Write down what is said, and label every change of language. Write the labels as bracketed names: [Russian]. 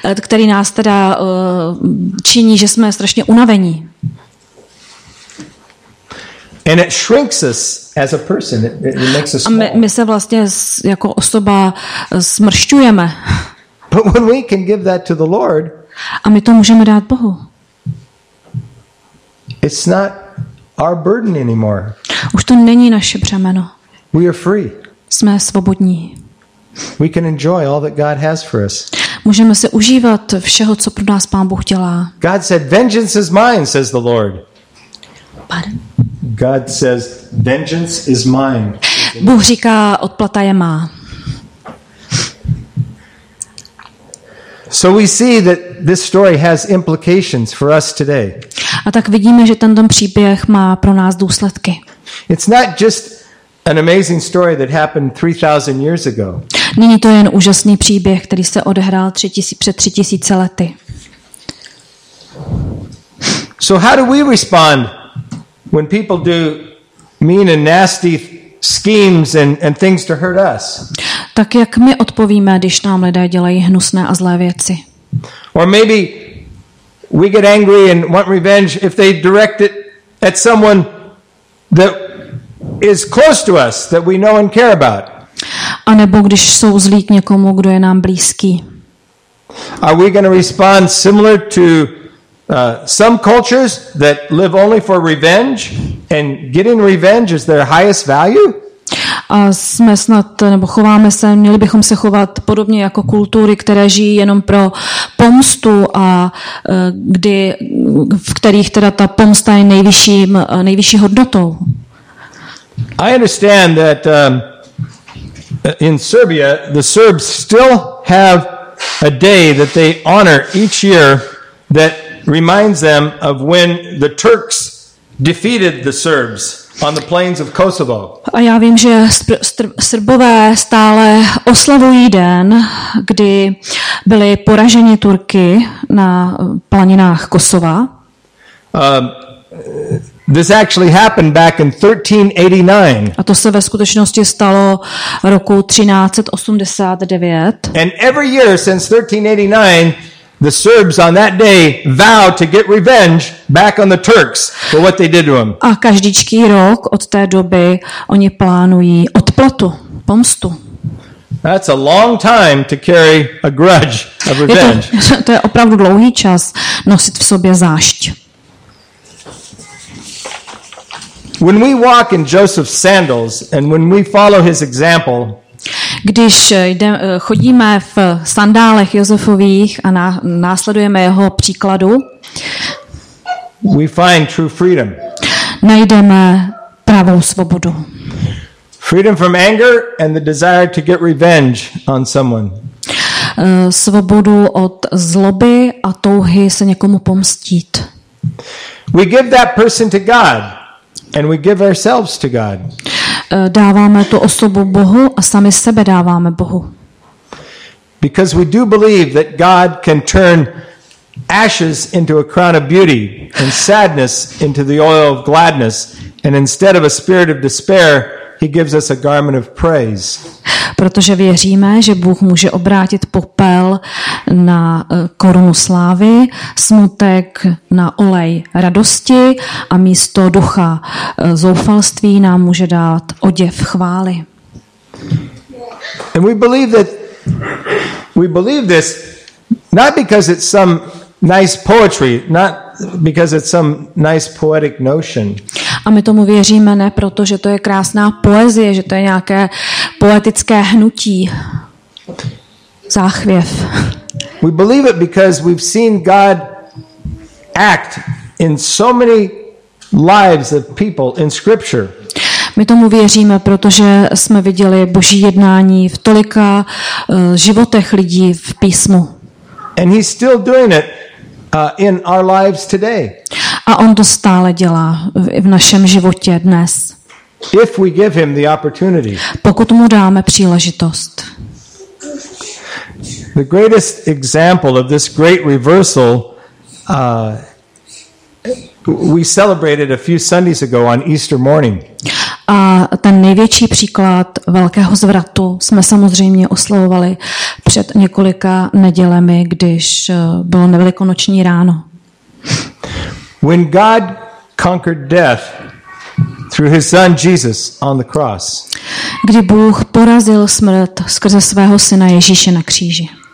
[Czech] Který nás teda činí, že jsme strašně unavení. [English] And it shrinks us as a person. It makes us small. [Czech] A my se vlastně jako osoba smršťujeme. [English] But when we can give that to the Lord, [Czech] a my to můžeme dát Bohu. [English] It's not our burden anymore. [Czech] Už to není naše břemeno. [English] We are free. [Czech] Jsme svobodní. [English] We can enjoy all that God has for us. [Czech] Můžeme se užívat všeho, co pro nás Pán Bůh dělá. [English] God said, "Vengeance is mine," says the Lord. Pardon? God says, "Vengeance is mine." [Czech] Bůh říká, odplata je má. [English] So we see that this story has implications for us today. [Czech] A tak vidíme, že tento příběh má pro nás důsledky. [English] It's not just an amazing story that happened 3000 years ago. [Czech] Není to jen úžasný příběh, který se odehrál před 3000 lety. [English] So how do we respond when people do mean and nasty schemes and things to hurt us? [Czech] Tak jak my odpovíme, když nám lidé dělají hnusné a zlé věci? [English] Or maybe we get angry and want revenge if they direct it at someone that is close to us, that we know and care about. [Czech] A nebo když jsou zlí k někomu, kdo je nám blízký. [English] Are we going to respond similar to some cultures that live only for revenge and getting revenge is their highest value? [Czech] A jsme snad, nebo chováme se, měli bychom se chovat podobně jako kultury, které žijí jenom pro pomstu a kdy, v kterých teda ta pomsta je nejvyšší hodnotou. [English] I understand that in Serbia, the Serbs still have a day that they honor each year that reminds them of when the Turks defeated the Serbs on the plains of Kosovo. [Czech] A já vím, že Srbové stále oslavují den, kdy byli poraženi Turky na planinách Kosova. [English] This actually happened back in 1389. [Czech] A to se ve skutečnosti stalo roku 1389. [English] And every year since 1389, the Serbs on that day vowed to get revenge back on the Turks for what they did to them. [Czech] A každýčký rok od té doby oni plánují odplatu, pomstu. [English] That's a long time to carry a grudge of revenge. [Czech] To je opravdu dlouhý čas nosit v sobě zášť. [English] When we walk in Joseph's sandals and when we follow his example, [Czech] když chodíme v sandálech Josefových a následujeme jeho příkladu, [English] we find true freedom. [Czech] Najdeme pravou svobodu. [English] Freedom from anger and the desire to get revenge on someone. [Czech] Svobodu od zloby a touhy se někomu pomstit. [English] We give that person to God and we give ourselves to God. [Czech] Dáváme tu osobu Bohu a sami sebe dáváme Bohu. [English] Because we do believe that God can turn ashes into a crown of beauty and sadness into the oil of gladness, and instead of a spirit of despair, he gives us a garment of praise. [Czech] Protože věříme, že Bůh může obrátit popel na korunu slávy, smutek na olej radosti a místo ducha zoufalství nám může dát oděv chvály. [English] And we believe this not because it's some nice poetry, not because it's some nice poetic notion. [Czech] A my tomu věříme ne proto, že to je krásná poezie, že to je nějaké poetické hnutí, záchvěv. [English] We believe it because we've seen God act in so many lives of people in scripture. [Czech] My tomu věříme, protože jsme viděli Boží jednání v tolika životech lidí v písmu. [English] And he's still doing it in our lives today. [Czech] A on to stále dělá v našem životě dnes. [English] If we give him the opportunity. [Czech] Pokud mu dáme příležitost. [English] The greatest example of this great reversal we celebrated a few Sundays ago on Easter morning. [Czech] A ten největší příklad velkého zvratu jsme samozřejmě oslavovali před několika nedělemi, když bylo nevelikonoční ráno. [English] When God conquered death through his son Jesus on the cross. [Czech] Kdy Bůh porazil smrt skrze svého syna Ježíše na kříži.